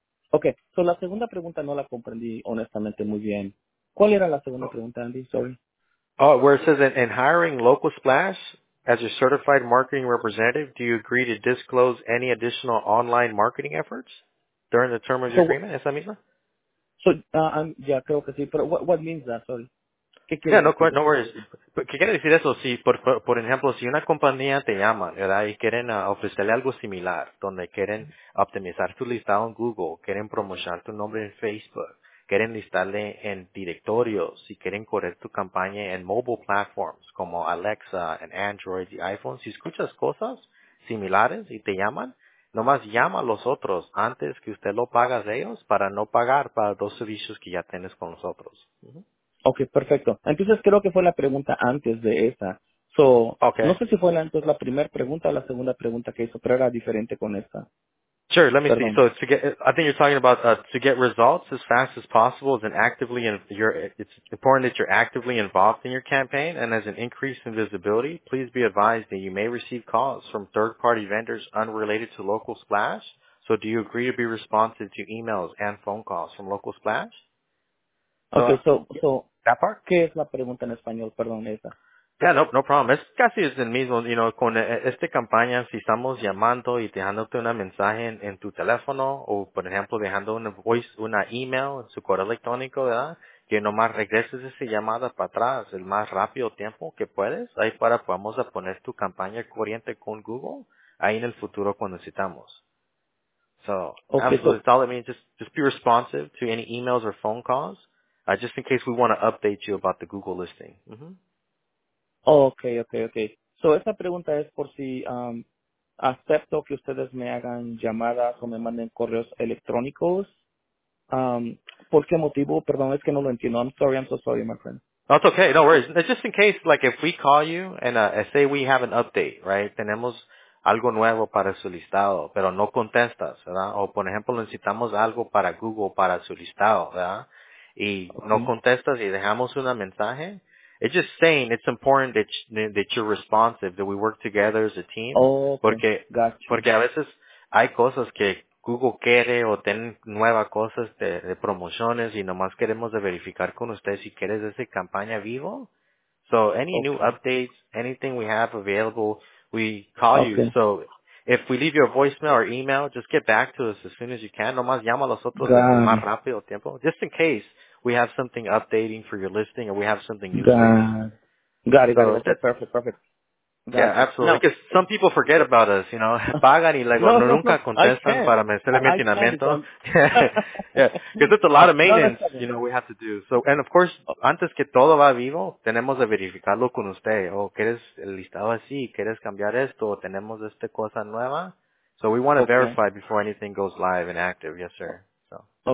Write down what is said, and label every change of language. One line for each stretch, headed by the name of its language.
Spanish: Okay, so la segunda pregunta no la comprendí honestamente muy bien. ¿Cuál era la segunda pregunta, Andy? Sorry.
English: Oh, where it says in hiring Local Splash, as your certified marketing representative, do you agree to disclose any additional online marketing efforts during the term of your agreement?
Spanish: ¿Esa misma?
English: So, yeah,
Spanish: creo que sí. Pero
English: what means that? Sorry. Yeah, no worries.
Spanish: ¿Qué quiere decir eso? Si, por ejemplo, si una compañía te llama, ¿verdad? Y quieren ofrecerle algo similar, donde quieren optimizar tu listado en Google, quieren promocionar tu nombre en Facebook, quieren listarle en directorios, si quieren correr tu campaña en mobile platforms como Alexa, en Android y iPhone. Si escuchas cosas similares y te llaman, nomás llama a los otros antes que usted lo pagas de ellos para no pagar para dos servicios que ya tienes con los otros. Okay, perfecto. Entonces creo que fue la pregunta antes de esa.
English: So, okay.
Spanish: No sé si fue entonces la primera pregunta o la segunda pregunta que hizo, pero era diferente con esa.
English: Sure, let me see. So I think you're talking about to get results as fast as possible and actively it's important that you're actively involved in your campaign. And as an increase in visibility, please be advised that you may receive calls from third-party vendors unrelated to Local Splash. So do you agree to be responsive to emails and phone calls from Local Splash? Okay, so that part?
Spanish: ¿Qué es la pregunta en español? Perdón, esa.
English: Yeah, no problem.
Spanish: Es casi el mismo, con esta campaña, si estamos llamando y dejándote un mensaje en tu teléfono, o por ejemplo, dejando una email en su correo electrónico, ¿verdad? que nomás regreses esa llamada para atrás el más rápido tiempo que puedes, ahí para podamos poner tu campaña corriente con Google ahí en el futuro cuando necesitamos.
English: So, okay, absolutely. So, I mean, just be responsive to any emails or phone calls, just in case we want to update you about the Google listing. Mm-hmm. Okay.
Spanish: So, esa pregunta es por si acepto que ustedes me hagan llamadas o me manden correos electrónicos. ¿Por qué motivo? Perdón, es que no lo entiendo.
English: I'm so sorry, my friend. That's okay. No worries. It's just in case, like, if we call you and say we have an update, right?
Spanish: Tenemos algo nuevo para su listado, pero no contestas, ¿verdad? O, por ejemplo, necesitamos algo para Google para su listado, ¿verdad? Y no contestas y dejamos un mensaje.
English: It's just saying it's important that you're responsive, that we work together as a team. Oh, okay.
Spanish: Porque,
English: gotcha.
Spanish: Porque a veces hay cosas que Google quiere o tienen nuevas cosas de promociones y nomás queremos de verificar con usted si quieres esa campaña vivo.
English: So, any new updates, anything we have available, we call you. So, if we leave your voicemail or email, just get back to us as soon as you can.
Spanish: Nomás llama a los otros más rápido tiempo.
English: Just in case we have something updating for your listing or we have something new. Got it. Perfect. Yeah, absolutely. No. Because some people forget about us, you know.
Spanish: Pagan y luego nunca contestan para mencionar mi entrenamiento.
English: Because it's a lot of maintenance, you know, we have to do. So, and of course,
Spanish: antes que todo va vivo, tenemos de verificarlo con usted. Oh, ¿quieres el listado así? ¿Quieres cambiar esto? ¿Tenemos esta cosa nueva?
English: So we want to verify before anything goes live and active. Yes, sir. So,